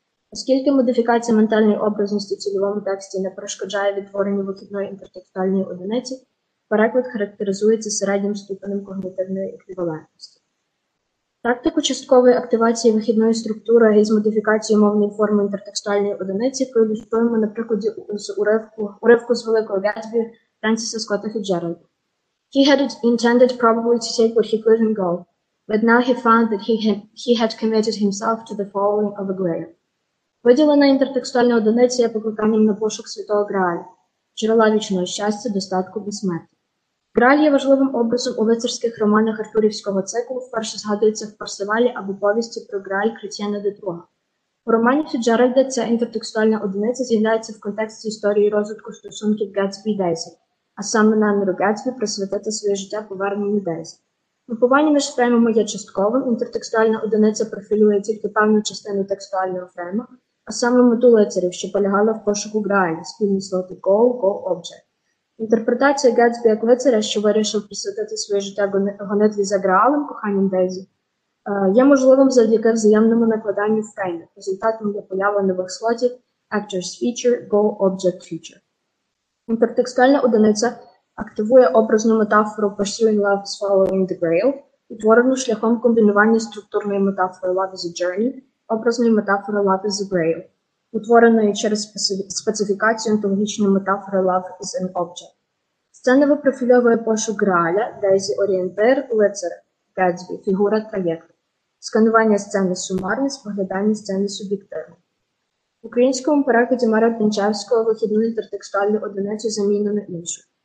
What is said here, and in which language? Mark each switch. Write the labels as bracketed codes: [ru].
[uk] Оскільки модифікація ментальної образності в цільовому тексті не перешкоджає відтворенню вихідної інтертекстуальної одиниці, переклад характеризується середнім ступенем когнітивної еквівалентності. Тактику часткової активації вихідної структури із модифікацією мовної форми інтертекстуальної одиниці проілюструємо на прикладі з уривку з Великого Гетсбі Френсіса Скотта Фіджеральда. [en] He had intended probably to take what he couldn't go, but now he found that he had committed himself to the following of a grail. [uk] Виділена інтертекстуальна одиниця є покликанням на пошук святого Грааля, джерела вічного щастя, достатку, безсмерті. Грааль є важливим образом у лицарських романах артурівського циклу, вперше згадується в Парсивалі або повісті про Грааль Крістіана де Труа. У романі Фіджеральда ця інтертекстуальна одиниця з'являється в контексті історії розвитку стосунків Гетсбі і Дейзі, а саме наміру Гетсбі присвятити своє життя поверненню Дейзі. Мапування між фреймами є частковим, інтертекстуальна одиниця профілює тільки певну частину текстуального фрейму, а саме мету лицарів, що полягала в пошуку Грааля, спільні слоти «goal», «goal object». Інтерпретація Гетсбі як лицаря, що вирішив присвятити своє життя гонитві за Граалем, коханням Дейзі, є можливим завдяки взаємному накладанню фрейму, результатом для появи нових слотів «actors feature», «goal object feature». Інтертекстуальна одиниця активує образну метафору [en] «pursuing love is following the grail», [uk] утворену шляхом комбінування структурної метафори [en] «love is a journey», [uk] образної метафори [en] «love is a grail», [uk] утвореної через специфікацію онтологічної метафори [en] «love is an object». [uk] Сцена випрофільовує пошук Грааля, Дейзі – орієнтир, лицар – Гетсбі, фігура – траєктор. Сканування сцени сумарне, споглядання сцени суб'єктивне. В українському перекладі Мара Тінчевського вихідну інтертекстуальну одиницю замінено на іншу.